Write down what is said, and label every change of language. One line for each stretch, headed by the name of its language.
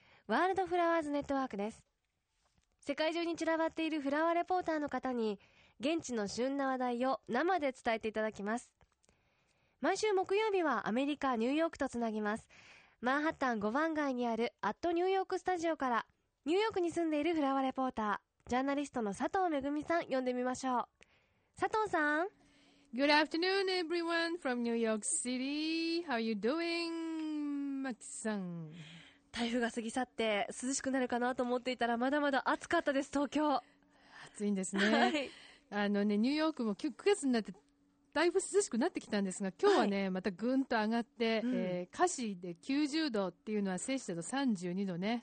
Japanese: ワールドフラワーズネットワークです。世界中に散らばっているフラワーレポーターの方に現地の旬な話題を生で伝えていただきます。毎週木曜日はアメリカ・ニューヨークとつなぎます。マンハッタン5番街にあるアットニューヨークスタジオから、ニューヨークに住んでいるフラワーレポータージャーナリストの佐藤めぐみさん呼んでみましょう。佐藤さん、
English: Good afternoon, everyone from New York City. How are you doing, マキさん？
Japanese: 台風が過ぎ去って涼しくなるかなと思っていたら、まだまだ暑かったです、東京。暑いんですね。はい、あのね、ニューヨークも9月になって、だいぶ涼しくなってきたんですが、今日はね、はい、またぐんと上がって、うん、華氏で90度っていうのは、摂氏だと32度ね。